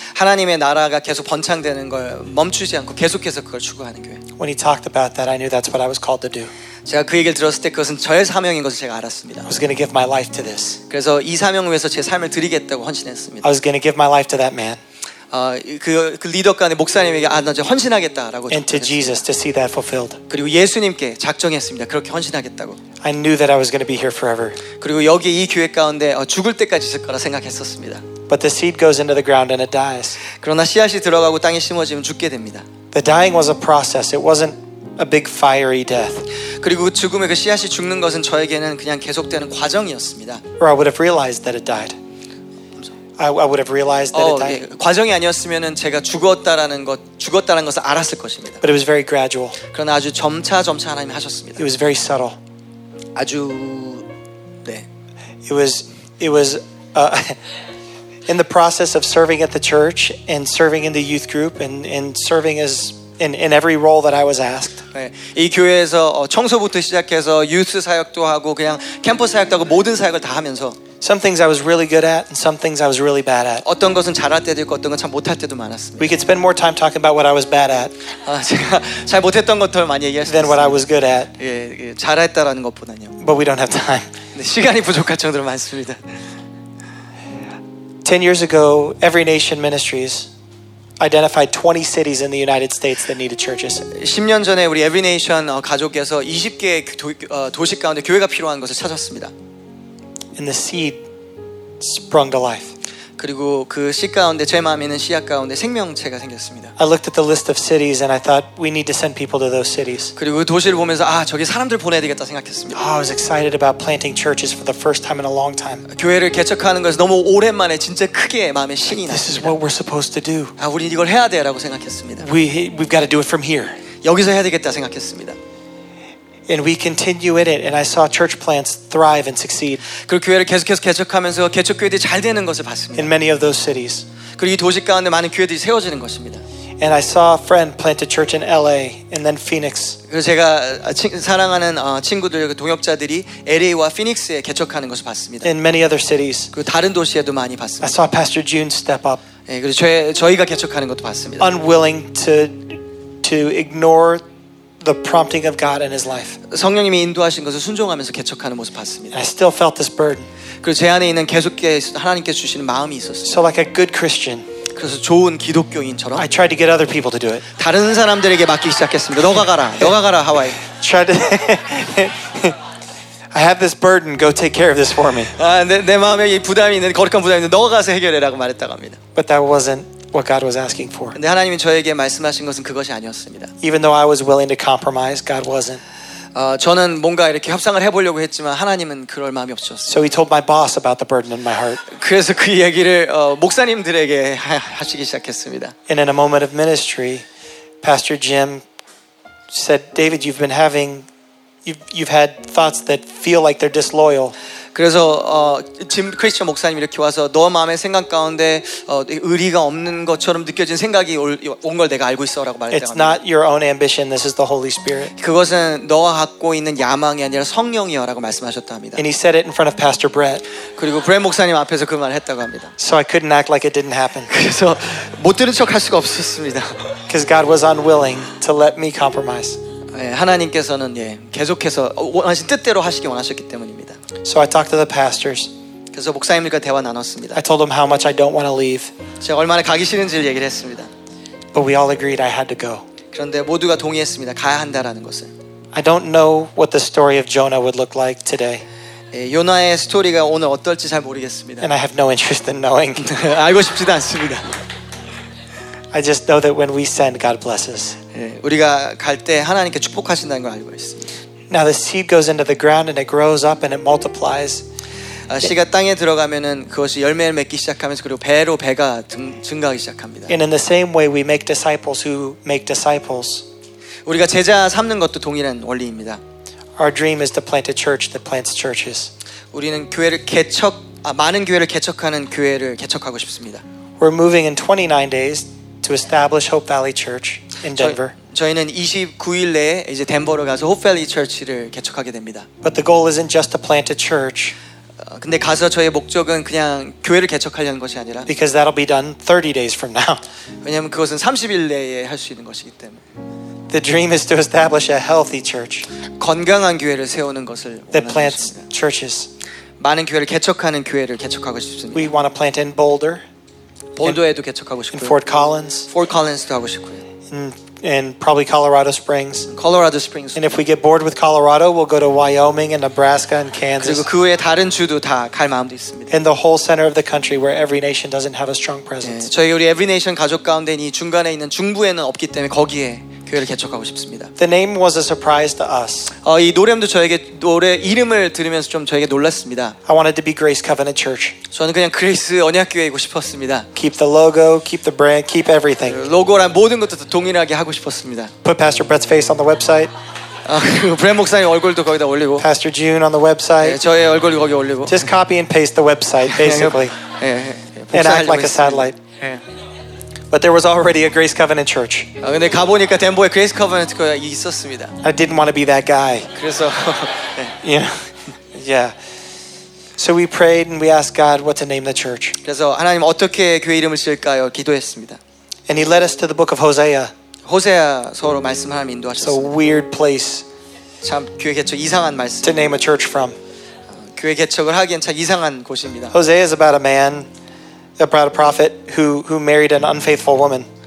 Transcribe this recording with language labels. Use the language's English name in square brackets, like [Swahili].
[Korean] 하나님의 나라가 계속 번창되는 걸 멈추지 않고 계속해서 그걸 추구하는 교회. [English] When he talked about that, I knew that's what I was called to do. [Korean] 제가 그 얘기를 들었을 때 그것은 저의 사명인 것을 제가 알았습니다. [English] I was going to give my life to this. [Korean] 그래서 이 사명을 위해서 제 삶을 드리겠다고 헌신했습니다. [English] I was going to give my life to that man. [Korean] 그 리더간의 목사님에게 아, 나 이제 헌신하겠다라고. [English] And to Jesus to see that fulfilled. [Korean] 그리고 예수님께 작정했습니다. 그렇게 헌신하겠다고. [English] I knew that I was going to be here forever. [Korean] 그리고 여기 이 교회 가운데 죽을 때까지 있을 거라 생각했었습니다. [English] But the seed goes into the ground and it dies. [Korean] 그러나 씨앗이 들어가고 땅에 심어지면 죽게 됩니다. [English] The dying was a process. It wasn't a big fiery death. [Korean] 그리고 죽음의 그 씨앗이 죽는 것은 저에게는 그냥 계속되는 과정이었습니다. [English] Or I would have realized that it died. I would have realized that it died. 예, [Korean] 과정이 아니었으면은 제가 죽었다라는 것 죽었다는 것을 알았을 것입니다. [English] But it was very gradual. [Korean] 그러나 아주 점차 하나님 하셨습니다. [English] It was very subtle. [Korean] 아주 네. [English] It was in the process of serving at the church and serving in the youth group and serving as in every role that I was asked. [Korean] 네, 이 교회에서 청소부터 시작해서 유스 사역도 하고 그냥 캠퍼스 사역도 하고 모든 사역을 다 하면서. [English] Some things I was really good at, and some things I was really bad at. [Korean] 어떤 것은 잘할 때도 있고 어떤 건 참 못할 때도 많았습니다. [English] We could spend more time talking about what I was bad at. [Korean] 제가 잘 못했던 것들 많이 얘기했어요. [English] Than what I was good at. [Korean] 예, 잘했다라는 것보다는요. [English] But we don't have time. [Korean] 시간이 부족할 정도로 많습니다. [English] 10 years ago, Every Nation Ministries identified 20 cities in the United States that needed churches. [Korean] 10년 전에 우리 Every Nation 가족께서 20개의 도시 가운데 교회가 필요한 것을 찾았습니다. [English] And the seed sprung to life. [Korean] 그리고 그 씨 가운데 제 마음에 있는 씨앗 가운데 생명체가 생겼습니다. [English] I looked at the list of cities and I thought we need to send people to those cities. [Korean] 그리고 도시를 보면서 아 저기 사람들 보내야 되겠다 생각했습니다. [English] I was excited about planting churches for the first time in a long time. [Korean] 교회를 개척하는 것이 너무 오랜만에 진짜 크게 마음에 신이 났습니다. [English] This is what we're supposed to do. [Korean] 아 우리 이걸 해야 돼라고 생각했습니다. [English] We've got to do it from here. [Korean] 여기서 해야 되겠다 생각했습니다. [English] And we continue in it, and I saw church plants thrive and succeed. [Korean] 그리고 교회를 계속해서 개척하면서 개척교회들이 잘 되는 것을 봤습니다. [English] In many of those cities. [Korean] 그리고 이 도시 가운데 많은 교회들이 세워지는 것입니다. [English] And I saw a friend plant a church in LA and then Phoenix. [Korean] 그리고 제가 사랑하는 친구들, 동역자들이 LA와 피닉스에 개척하는 것을 봤습니다. [English] In many other cities. [Korean] 그리고 다른 도시에도 많이 봤습니다. [English] I saw Pastor June step up. [Korean] 예, 그리고 저희가 개척하는 것도 봤습니다. [English] Unwilling to ignore the prompting of God in his life. [Korean] 성령님이 인도하신 것을 순종하면서 개척하는 모습 봤습니다. [English] I still felt this burden. [Korean] 그리고 제 안에 있는 계속해서 하나님께 주시는 마음이 있었어요. [English] So like a good Christian. [Korean] 그래서 좋은 기독교인처럼 [English] I tried to get other people to do it. [Korean] 다른 사람들에게 맡기 시작했습니다. 너가 가라. 너가 가라 하와이. [English] Tried to I have this burden. Go take care of this for me. [Korean] 아, 내 마음에 이 부담이 있는 거룩한 부담이 있는 너가 가서 해결해라고 말했다고 합니다. [English] But that wasn't what God was asking for. [Korean] 근데 하나님이 저에게 말씀하신 것은 그것이 아니었습니다. [English] Even though I was willing to compromise, God wasn't. [Korean] 저는 뭔가 이렇게 협상을 해 보려고 했지만 하나님은 그럴 마음이 없으셨어요. [English] So he told my boss about the burden in my heart. [Korean] 그래서 그 얘기를 목사님들에게 하시기 시작했습니다. [English] And in a moment of ministry, Pastor Jim said, "David, you've had thoughts that feel like they're disloyal." [Korean] 그래서 짐 크리스천 목사님 이렇게 와서 너 마음의 생각 가운데 의리가 없는 것처럼 느껴진 생각이 온 걸 내가 알고 있어라고 말했다. [English] It's not your own ambition. This is the Holy Spirit. [Korean] 그것은 너가 갖고 있는 야망이 아니라 성령이여라고 말씀하셨다 합니다. [English] And he said it in front of Pastor Brett. [Korean] 그리고 브렛 목사님 앞에서 그 말을 했다고 합니다. [English] So I couldn't act like it didn't happen. [Korean] 그래서 못 들은 척 할 수가 없었습니다. [English] Because God was unwilling to let me compromise. [Korean] 하나님께서는 계속해서 원하신 뜻대로 하시기 원하셨기 때문입니다. [English] So I talked to the pastors. [Korean] 그래서 목사님들과 대화 나눴습니다. [English] I told them how much I don't want to leave. [Korean] 제가 얼마나 가기 싫은지를 얘기를 했습니다. [English] But we all agreed I had to go. [Korean] 그런데 모두가 동의했습니다. 가야 한다라는 것을. [English] I don't know what the story of Jonah would look like today. [Korean] 요나의 스토리가 오늘 어떨지 잘 모르겠습니다. [English] And I have no interest in knowing. [Korean] 알고 싶지도 않습니다. [English] I just know that when we send, God blesses. [Korean] 우리가 갈 때 하나님께 축복하신다는 걸 알고 있습니다. [English] Now the seed goes into the ground and it grows up and it multiplies. [Korean] 씨가 땅에 들어가면은 그것이 열매를 맺기 시작하면서 그리고 배로 배가 증가하기 시작합니다. [English] And in the same way, we make disciples who make disciples. [Korean] 우리가 제자 삼는 것도 동일한 원리입니다. [English] Our dream is to plant a church that plants churches. [Korean] 우리는 교회를 개척 많은 교회를 개척하는 교회를 개척하고 싶습니다. [English] We're moving in 29 days to establish Hope Valley Church in Denver. [Korean] 저희는 29일 내에 이제 덴버로 가서 Hope Valley Church를 개척하게 됩니다. [English] But the goal isn't just to plant a church. [Korean] 근데 가서 저의 목적은 그냥 교회를 개척하려는 것이 아니라 [English] Because that'll be done 30 days from now. [Korean] 왜냐하면 그것은 30일 내에 할 수 있는 것이기 때문에. [English] The dream is to establish a healthy church. [Korean] 건강한 교회를 세우는 것을 [English] That plants churches. [Korean] 많은 교회를 개척하는 교회를 개척하고 싶습니다. [English] We want to plant in Boulder. [Korean] 보도에도 개척하고 싶고요. [English] In Fort Collins. [Korean] Fort Collins도 하고 싶고요. [English] And probably Colorado Springs. Colorado Springs. And if we get bored with Colorado, we'll go to Wyoming and Nebraska and Kansas. [Korean] 그리고 그 외 다른 주도 다 갈 마음도 있습니다. [English] And the whole center of the country where every nation doesn't have a strong presence. [Korean] 네, 저희 우리 every nation 가족 가운데 이 중간에 있는 중부에는 없기 때문에 거기에 교회를 개척하고 싶습니다. [English] The name was a surprise to us. [Korean] 이 노래도 저에게 노래 이름을 들으면서 좀 저에게 놀랐습니다. [English] I wanted to be Grace Covenant Church. [Korean] 저는 그냥 그레이스 언약교회이고 싶었습니다. [English] Keep the logo, keep the brand, keep everything. [Korean] 로고랑 모든 것도 동일하게 하고 싶었습니다. [English] Put Pastor Brett's face on the website. [Korean] 브랜 목사님 얼굴도 거기다 올리고. [English] Pastor June on the website. [Korean] 네, 저의 얼굴도 거기 올리고. [English] Just copy and paste the website, basically. [Korean] 예. [English] 네, and act like a satellite. [Korean] 네. [English] But there was already a Grace Covenant Church. [Korean] 근데 가보니까 덴버에 Grace Covenant 교회 있었습니다. [English] I didn't want to be that guy. [Korean] 그래서 [English] yeah. So we prayed and we asked God what to name the church. [Korean] 그래서 하나님 어떻게 교회 이름을 지을까요? 기도했습니다. [English] And He led us to the book of Hosea. [Korean] 호세아서로 말씀 하나님 인도하셨습니다. [English] So weird place. [Korean] 참 교회 개척 이상한 말씀. [English] To name a church from. [Korean] 교회 개척을 하기엔 참 이상한 곳입니다. [English] Hosea is about a man. About a prophet who married an unfaithful woman.